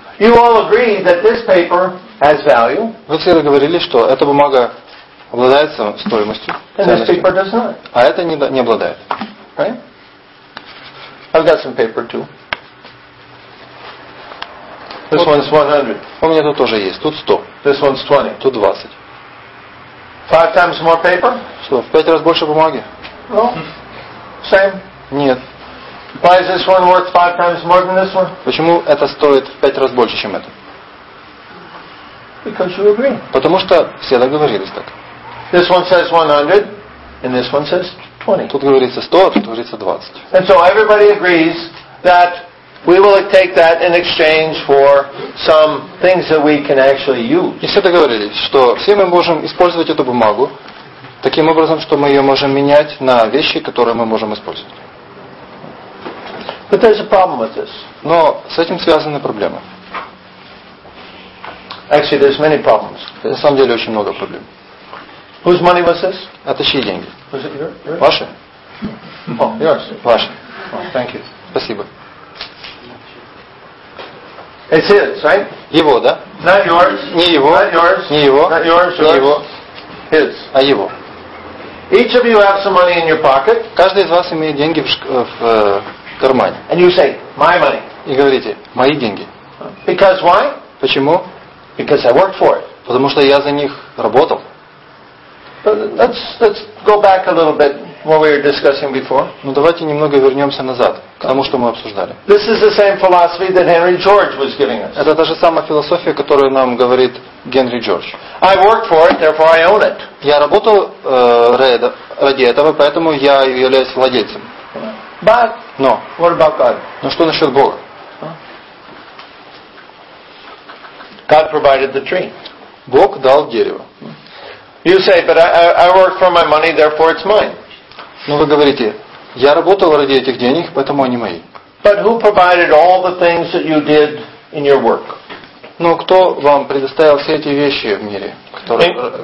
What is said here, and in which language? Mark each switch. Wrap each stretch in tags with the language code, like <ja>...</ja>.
<en>You all agree that this paper has value.</en> <ru>Вы все договорились, что эта бумага обладает стоимостью.</ru> <en>This paper does not.</en> <ru>А это не обладает.</ru> <en>Right? I've got some paper too. This one's 100.</en> <ru>У меня тут тоже есть. Тут 100.</ru> <en>This one's 20.</en> <ru>Тут 20.</ru> <en>Five times more paper?</en> <ru>Что, в 5 раз больше бумаги?</ru> <en>No. Same.</en> <ru>Нет.</ru> <en>Why is this one worth 5 times more than this one?</en> <ru>Почему это стоит в 5 раз больше, чем это?</ru> <en>Because you agree.</en> <ru>Потому что все договорились так.</ru> <en>This one says 100, and this one says 20.</en> <ru>Тут говорится 100, а тут говорится 20.</ru> <en>And so everybody agrees that we will take that in exchange for some things that we can actually use.</en> <ru>И все договорились, что все мы можем использовать эту бумагу таким образом, что мы ее можем менять на вещи, которые мы можем использовать.</ru> <en>But there's a problem with this.</en> <ru>Но с этим связаны проблемы.</ru> <en>Actually, there's many problems.</en> <ru>На самом деле очень много проблем.</ru> <en>Whose money was this?</en> <ru>Это чьи деньги?</ru> <en>Was it yours?</en> <ru>Ваши.</ru> <en>Oh, yours.</en> <ru>Ваши.</ru> <en>Oh, thank you.</en> <ru>Спасибо.</ru> <en>It's his, right?</en> <ru>Его, да?</ru> <en>Not yours.</en> <ru>Не его.</ru> <en>Not yours.</en> <ru>Не его.</ru> <en>Not yours.</en> <ru>Не его.</ru> <en>His.</en> <ru>А его.</ru> <en>Each of you have some money in your pocket.</en> <ru>Каждый из вас имеет деньги в кармане.</ru> <en>And you say, my money.</en> <ru>И говорите, мои деньги.</ru> <en>Because why?</en> <ru>Почему?</ru> <en>Because I worked for it.</en> <ru>Потому что я за них работал.</ru> <en>Let's go back a little bit what we were discussing before.</en> <ru>Ну давайте немного вернемся назад к тому, что мы обсуждали.</ru> <en>This is the same philosophy that Henry George was giving us.</en> <ru>Это та же самая философия, которую нам говорит Генри Джордж.</ru> <en>I worked for it, therefore I own it.</en> <ru>Я работал ради этого, поэтому я являюсь владельцем.</ru> <en>But no. What about God?</en> <ru>Но что насчет Бога?</ru> <en>God provided the tree.</en> <ru>Бог дал дерево.</ru> <en>You say, but I work for my money, therefore it's mine.</en> <ru>Ну вы говорите, я работал ради этих денег, поэтому они мои.</ru> <en>But who provided all the things that you did in your work?</en> <ru>Ну кто вам предоставил все эти вещи в мире, которые?</ru>